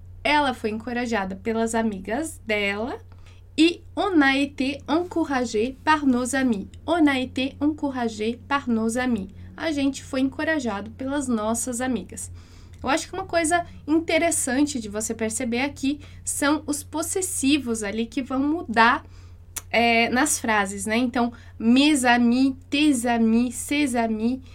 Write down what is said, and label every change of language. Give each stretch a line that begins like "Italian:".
Portuguese: Ela foi encorajada pelas amigas dela.
French: E on a été encouragé par nos amis. On a été encouragé par nos amis.
Portuguese: A gente foi encorajado pelas nossas amigas. Eu acho que uma coisa interessante de você perceber aqui são os possessivos ali que vão mudar nas frases, né?
French: Então, mes amis, tes amis, ses amis.